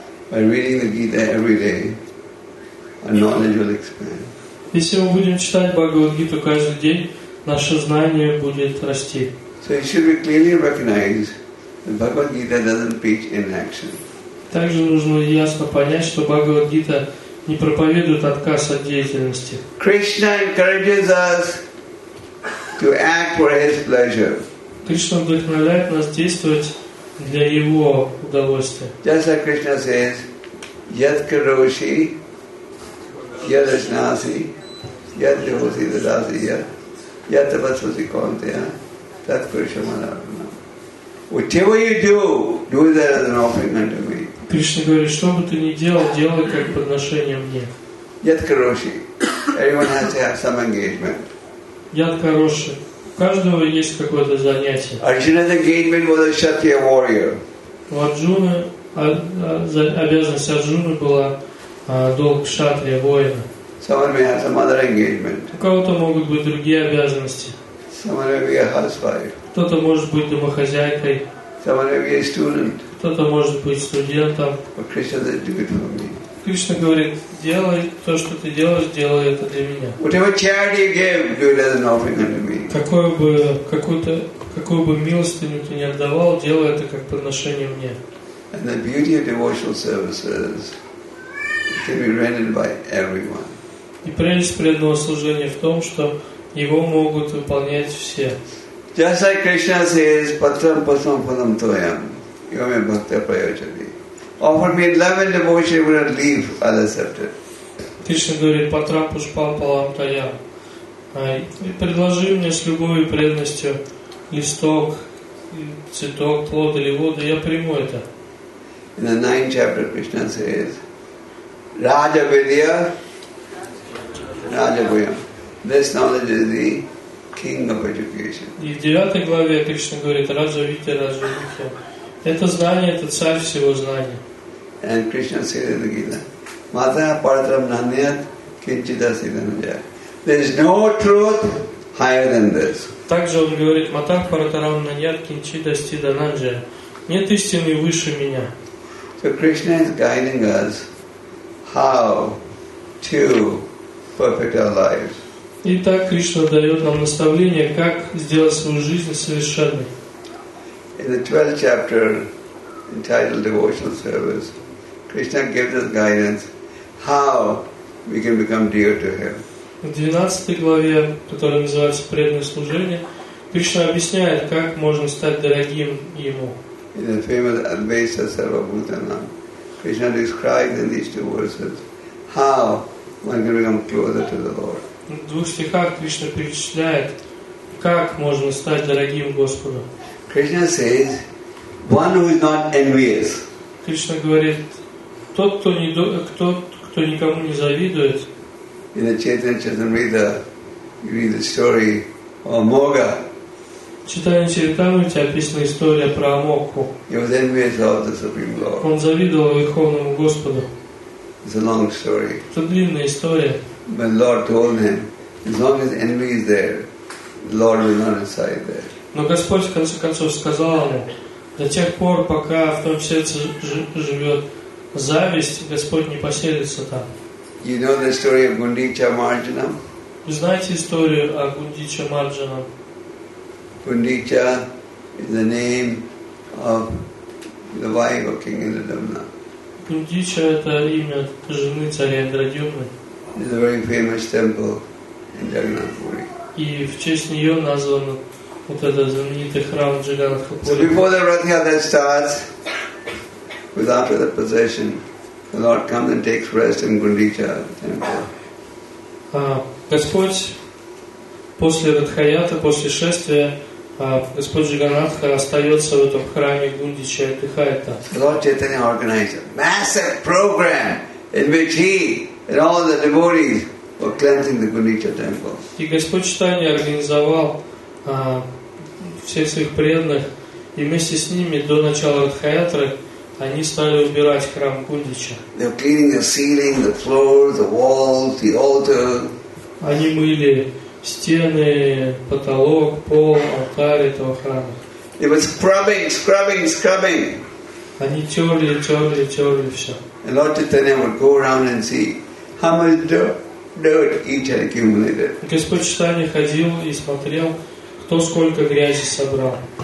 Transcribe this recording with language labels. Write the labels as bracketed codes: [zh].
[en] By reading the Gita every day, our knowledge will expand. [ru] Если мы будем читать Бхагавад-гиту каждый день, наше знание будет расти. [en] So it should be clearly recognized that Bhagavad-gita doesn't preach inaction. [ru] Также нужно ясно понять, что Бхагавад-гита не проповедует отказ от деятельности. [en] Krishna encourages us to act for His pleasure. [ru] Кришна вдохновляет нас действовать для его удовольствия. [en] Just like Krishna says, [sa] "Yad karoshi, yad ashnasi, yad devosi dadasi, yad tapasvasi kaunteya, tat purushamanarpanam." [en] Whatever you do, do that as an offering unto me. [ru] Кришна говорит, что бы ты ни делал, делай как подношение мне. [sa] Yad karoshi, [en] everyone has to have some engagement. [sa] Yad karoshi. [ru] У каждого есть какое-то занятие. [en] Arjuna's engagement was a kshatriya warrior. [ru] У Арджуны обязанность Арджуны была долг кшатрия воина. [en] Someone may have some other engagement. [ru] У кого-то могут быть другие обязанности. [en] Someone may be a housewife. [ru] Кто-то может быть домохозяйкой. [en] Someone may be a student. [ru] Кто-то может быть студентом. [en] But Krishna said, "Do it for me." [ru] Кришна говорит, делай то, что ты делаешь, делай это для меня. [en] Whatever charity you give, do it as an offering unto me. [ru] Какое бы, какую-то, какую бы милостыню ты ни отдавал, делай это как подношение мне. [en] And the beauty of devotional services can be rendered by everyone. [ru] И прелесть преданного служения в том, что его могут выполнять все. [en] Just like Krishna says, [sa] patram patram patram toyam, yome bhakta prayojali. [en] Offer me 11 devotion, you will not leave unaccepted. [ru] Кришна говорит, [sa] патрам пушпам палам таям. [ru] И предложи мне с любовью и преданностью листок, цветок, плод или воду, я приму это. [en] In the 9th chapter, Krishna says, [sa] Raja Vidya, Raja Vyam. [en] This knowledge is the king of education. [ru] И в 9 главе Кришна говорит, [sa] Раджа Витя, Раджа Витя. [ru] Это знание, это царь всего знания. [en] And Krishna says in the Gita, [sa] Матра Паратрам Наньят Кинчита Сиданджа. [en] There is no truth higher than this. [ru] Также он говорит, [sa] Матра Паратрам Наньят Кинчита Сиданджа. [ru] Нет истины выше меня. [en] So Krishna is guiding us how to perfect our lives. [ru] Итак, Кришна дает нам наставление, как сделать свою жизнь совершенной. [en] In the 12th chapter, entitled Devotional Service, Krishna gives us guidance how we can become dear to Him. [ru] В 12 главе, которая называется «Преданное служение», Кришна объясняет, как можно стать дорогим Ему. [en] In the famous [sa] Advaita Sarvabhutanam, [en] Krishna describes in these two verses how one can become closer to the Lord. [ru] В двух стихах Кришна перечисляет, как можно стать дорогим Господу. [en] Krishna says, one who is not envious. [ru] Кришна говорит, тот, кто не кто никому не завидует. [en] In the Chaitanya Charitamrita, you read the story of Amogha. [ru] Читая Чайтанья, описана история про Амокху. [en] He was envious of the Supreme Lord. [ru] Он завидовал Верховному Господу. [en] It's a long story. [ru] Это длинная история. [en] But the Lord told him, as long as envy is there, the Lord will not reside there. [ru] Но Господь в конце концов сказал ему, до тех пор, пока в том сердце живет зависть, Господь не поселится там. [en] You know the story of Gundicha Marjanam? [ru] Вы знаете историю о Гундича Марджанам? [en] Gundicha is the name of the wife of King Indradyumna. [ru] Gundicha это имя жены царя Индрадьюмны. [en] It's a very famous temple in Jagannath Puri. [ru] И в честь нее назван вот этот знаменитый храм Джаганнатх Пури. [en] So before the Rath Yatra starts, without the possession, the Lord comes and takes rest in Gundicha temple. [ru] Господь после Ратхаята, после шествия, Господь Джаганнатха остается в этом храме Гундича и отдыхает там. [en] The Lord Chaitanya organized a massive program in which he and all the devotees were cleansing the Gundicha temple. [ru] И Господь Чайтанья организовал всех своих преданных, и вместе с ними до начала Ратхаятры они стали убирать храм Гундича. [en] They were cleaning the ceiling, the floor, the walls, the altar. [ru] Они мыли стены, потолок, пол, алтарь этого храма. [en] It was scrubbing, scrubbing, scrubbing. [ru] Они терли, терли, терли все. [en] And Lord Chaitanya would go around and see how much dirt each had accumulated. [ru] Господь Чайтанья ходил и смотрел, кто сколько грязи собрал.